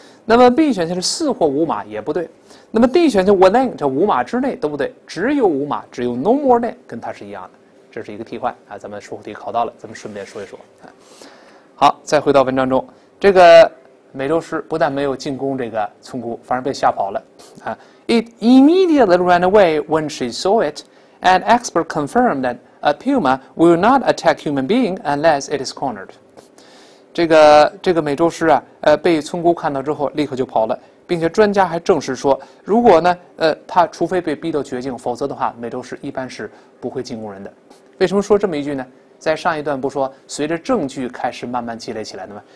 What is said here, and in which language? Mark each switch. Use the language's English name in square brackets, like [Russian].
[Chinese] 那么 B 选项是四或五码，也不对。那么 D 选项 within 这五码之内，都不对，只有五码，只有 [English] no more than [Chinese] 跟它是一样的。这是一个替换啊，咱们书后题考到了，咱们顺便说一说。好，再回到文章中，这个美洲狮不但没有进攻这个村姑，反而被吓跑了。 [English] It immediately ran away when she saw it, and expert confirmed thatA puma will not attack human being unless it is cornered。 [Chinese] 这个美洲狮啊，被村姑看到之后立刻就跑了，并且专家还证实说，如果呢，它除非被逼到绝境，否则的话，美洲狮一般是不会进攻人的。为什么说这么一句呢？在上一段不说，随着证据开始慢慢积累起来的吗？